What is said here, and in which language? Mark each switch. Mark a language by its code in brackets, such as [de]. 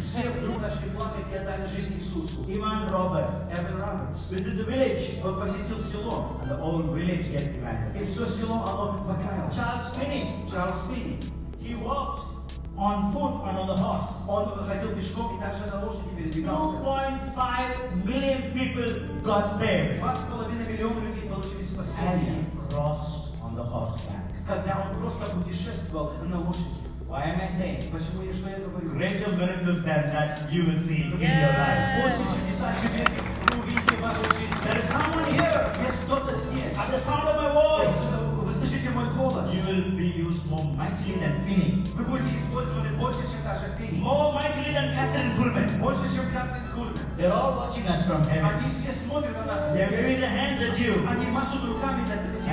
[ru] Все вдруг начали плакать и отдали жизнь Иисусу. Иван Робертс. Эван Робертс. [en] This is the village. [ru] Он посетил село. [en] And the old village gets evangelized. [ru] И все село, оно покаялось. Чарльз Финни. Чарльз Финни. [en] He walked on foot and on the horse. [ru] Он ходил пешком и также на лошади передвигался. [en] 2.5 million people got saved. [ru] 2.5 миллиона людей получили спасение. [en] As he crossed on the horseback. [ru] Когда он просто путешествовал на лошади. [en] Why am I saying? [ru] Почему я что я говорю? [en] Greater miracles than that you will see in your life. [ru] Больше чудеса, чем эти, вы увидите в вашей жизни. [en] There is someone here. [ru] Есть кто-то здесь. [en] At the sound of my voice. [ru] Вы слышите мой голос. [en] You will be used more mightily than Finney. [ru] Вы будете использованы больше, чем даже Финни. [en] More mightily than Catherine Kuhlman. [ru] Больше, чем Catherine Kuhlman. [en] They're all watching us from heaven. [ru] Они все смотрят на нас. [en] They're waving their hands at you. [ru] Они машут руками на тебя.